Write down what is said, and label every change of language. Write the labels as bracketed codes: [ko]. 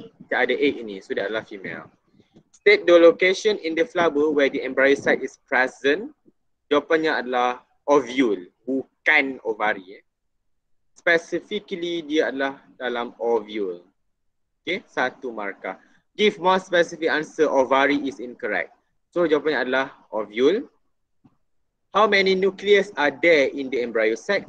[ms] Tak ada egg ni, so dia adalah female. [en] State the location in the flower where the embryo sac is present. [ms] Jawapannya adalah ovule, bukan ovary. Specifically, dia adalah dalam ovule. Okay, satu markah. [en] Give more specific answer, ovary is incorrect. So, jawapannya adalah ovule. How many nucleus are there in the embryo sac?